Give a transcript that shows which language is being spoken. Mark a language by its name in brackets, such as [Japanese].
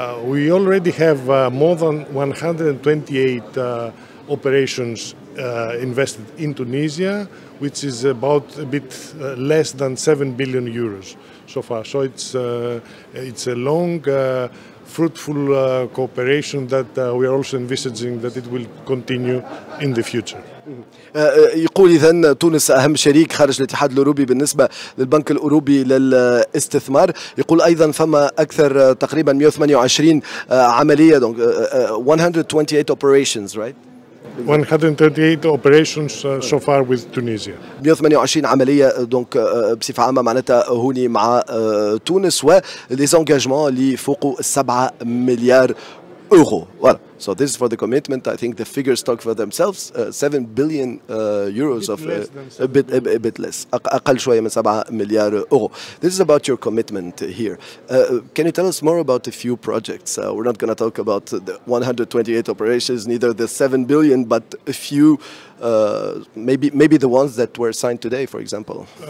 [English] We already have more than 128 operations invested in Tunisia, which is about a bit less than 7 billion euros so far. So it's a long, fruitful cooperation that we are also envisaging that it will continue in the future. [Arabic] يقول إذن تونس أهم شريك خارج الاتحاد الأوروبي بالنسبة للبنك الأوروبي للاستثمار. يقول أيضا فما أكثر تقريبا 128 عملية. [English] 128 operations, right? 128 operations so far with Tunisia. [Arabic] 128 عملية دونك بصفة عامة معناتها هوني مع تونس و لي زونجاجمون اللي فوق 7 مليار يورو. Voilà. [English] So this is for the commitment. I think the figures talk for themselves. 7 billion euros of a bit less. [Arabic] أقل شوية من 7 مليار يورو. [English] This is about your commitment here. Can you tell us more about a few projects? We're not going to talk about the 128 operations, neither the 7 billion, but a few, maybe the ones that were signed today, for example.